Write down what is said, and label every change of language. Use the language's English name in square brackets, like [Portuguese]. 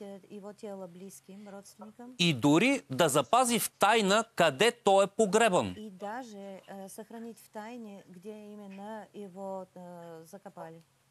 [Russian] его тело близким родственникам [Bulgarian] и дори да запази в тайна къде той е погребан. [Russian] И даже съхранить в тайне, где именно его закопали.